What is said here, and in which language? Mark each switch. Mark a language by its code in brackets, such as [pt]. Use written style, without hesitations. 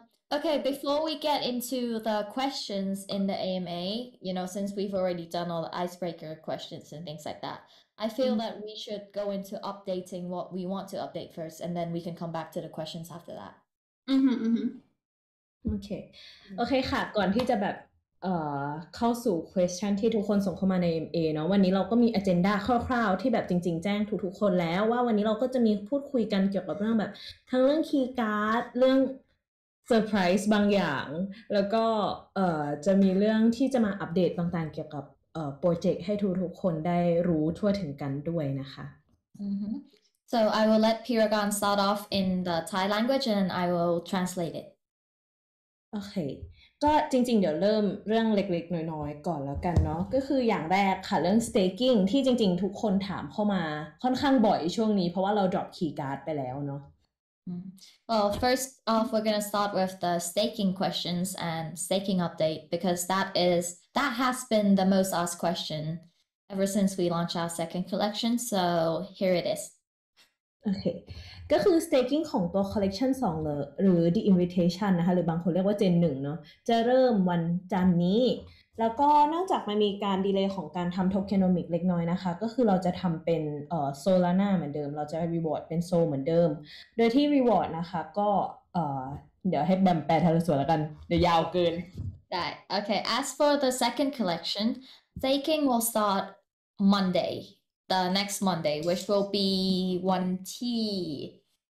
[en] Okay, before we get into the questions in the AMA, you know, since we've already done all the icebreaker questions and things like that, I feel that we should go into updating what we want to update first, and then we can come back to the questions after that. Okay. [th] Okay, ค่ะ ก่อนที่จะแบบเข้าสู่ question ที่ทุกคนส่งเข้ามาใน AMA เนาะวันนี้เราก็มี agenda คร่าวๆที่แบบจริงๆแจ้งทุกๆคนแล้วว่าวันนี้เราก็จะมีพูดคุยกันเกี่ยวกับเรื่องแบบทั้งเรื่องคีย์การ์ดเรื่องเซอร์ไพรส์บางอย่างแล้วก็จะมีเรื่องที่จะมาอัปเดตต่างๆเกี่ยวกับโปรเจกต์ให้ทุกๆคนได้รู้ทั่วถึงกันด้วยนะคะ [en] So I will let Piragan start off in the Thai language and I will translate it [th] โอเคก็จริงๆเดี๋ยวเริ่มเรื่องเล็กๆน้อยๆก่อนแล้วกันเนาะก็คืออย่างแรกค่ะเรื่อง staking ที่จริงๆทุกคนถามเข้ามาค่อนข้างบ่อยช่วงนี้เพราะว่าเรา drop key card ไปแล้วเน [en] าะ Well first off we're gonna start with the staking questions and staking update because that has been the most asked question ever since we launched our second collection so here it is [th] โอเคก็คือ staking ของตัว collection 2หรือ the invitation นะคะหรือบางคนเรียกว่า gen 1เนาะจะเริ่มวันจันนี้แล้วก็นอกจากมันมีการดีเลย์ของการทำ tokenomics เล็กน้อยนะคะก็คือเราจะทำเป็น solana เหมือนเดิมเราจะ reward เป็น soul เหมือนเดิมโดยที่ reward นะคะก็เดี๋ยวให้แบมแปลทั้งส่วนแล้วกันเดี๋ยวยาวเกิน ได้โอเค [en] as for the second collection staking will start mondayThe next Monday, which will be 1T.